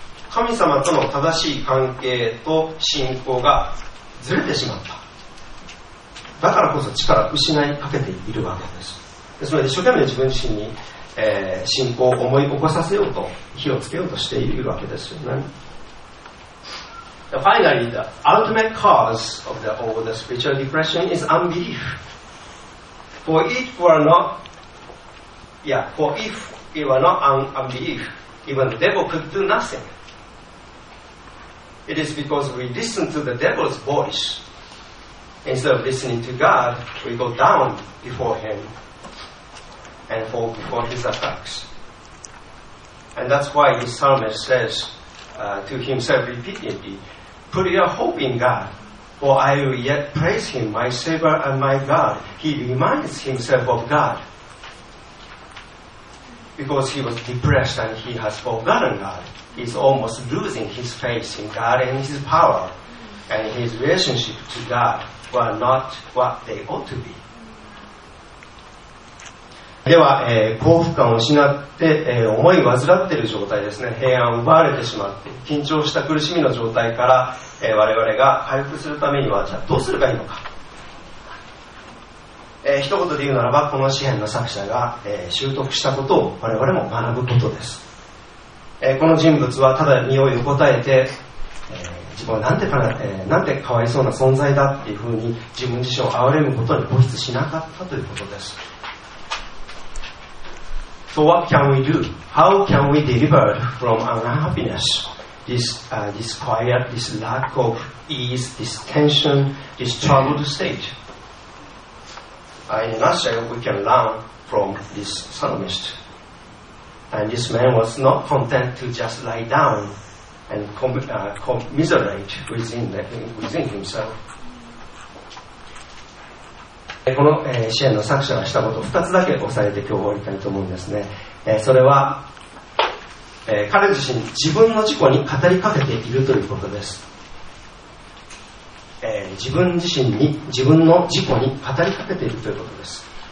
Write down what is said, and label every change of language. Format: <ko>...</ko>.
<ja>神様との正しい関係と信仰がずれてしまった。だからこそ力を失いかけているわけです。ですので、一生懸命自分自身に、信仰を思い起こさせようと火をつけようとしているわけですよね。</ja> <en>Finally, the ultimate cause of the all the spiritual depression is unbelief. For if it were not unbelief, even the devil could do nothing. It is because we listen to the devil's voice instead of listening to God, we go down before him and fall before his attacks. And that's why the psalmist says, to himself repeatedly. Put your hope in God, for I will yet praise Him, my Savior and my God. He reminds himself of God, because he was depressed and he has forgotten God. He's almost losing his faith in God and his power, and his relationship to God were not what they ought to be.</en> <ja>では、幸福感を失って、思い患っている状態ですね。平安を奪われてしまって、緊張した苦しみの状態から、我々が回復するためには、じゃあどうすればいいのか。一言で言うならば、この詩編の作者が、習得したことを我々も学ぶことです。この人物はただ身を横たえて、自分はなんてかわいそうな存在だっていうふうに自分自身を憐れむことに固執しなかったということです。</ja> <en>So what can we do? How can we deliver from unhappiness? This quiet, this lack of ease, this tension, this troubled state. In a nutshell, we can learn from this psalmist. And this man was not content to just lie down and commiserate within himself.</en> <ja>この詩編の作者がしたことを2つだけ押さえて今日終わりたいと思うんですね。それは、彼自身自分の自己に語りかけているということです。自分自身に自分の自己に語りかけているということです。</ja>